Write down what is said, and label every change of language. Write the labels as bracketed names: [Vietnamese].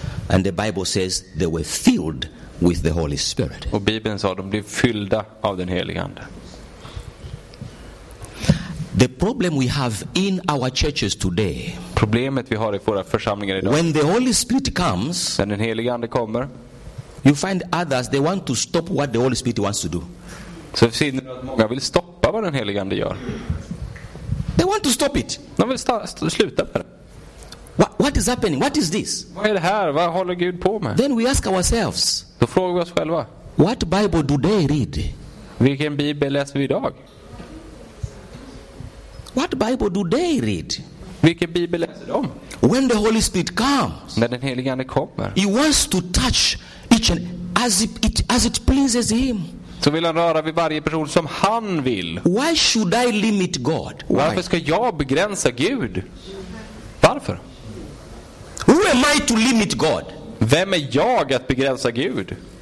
[English] And the Bible says they were filled with the Holy Spirit. [Swedish] Och Bibeln sa de blev fyllda av den helige ande. [English] The problem we have in our churches today. [Swedish] Problemet vi har i våra församlingar idag. [English] When the Holy Spirit comes. [Swedish] När den helige ande kommer. [English] You find others they want to stop what the Holy Spirit wants to do. [Swedish] Så ser ni att många vill stoppa vad den helige ande gör. [English] They want to stop it. [Swedish] De vill sluta med det. [English] What is happening? What is this? [Swedish] Vad är det här? Vad håller Gud på med? [English] Then we ask ourselves. [Swedish] Då frågar vi oss själva. [English] What Bible do they read? [Swedish] Vilken bibel läser vi idag? [English] What Bible do they read? [Swedish] Vilken bibel läser de? [English] When the Holy Spirit comes. [Swedish] När den helige ande kommer. [English] He wants to touch each and as it pleases him. [Swedish] Så vill han röra vid varje person som han vill. [English] Why should I limit God? [Swedish] Varför ska jag begränsa Gud? Varför? [English] am I to limit God? [Swedish] Vem är jag att begränsa Gud?